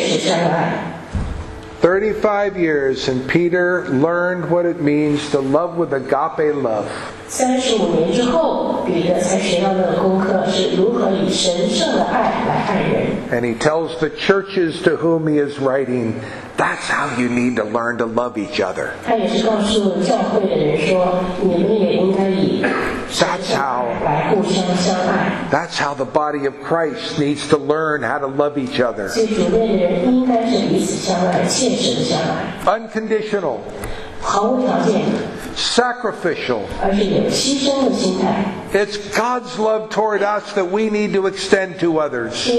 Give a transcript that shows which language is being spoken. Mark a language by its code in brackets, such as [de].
[en] 35 years and Peter learned what it means to love with agape love. [zh] 35年之后,彼得才学到的功课是如何以神圣的爱来爱人。 [en] And he tells the churches to whom he is writing, that's how you need to learn to love each other. [zh] 他也是告诉教会的人说,你们也应该以神圣的爱来互相相爱。 [en] That's how the body of Christ needs to learn how to love each other. [zh] 所以主内的人应该是彼此相爱,切实的相爱。 [en] Unconditional. [zh] 毫无条件。 [en] Sacrificial. It's God's love toward us that we need to extend to others.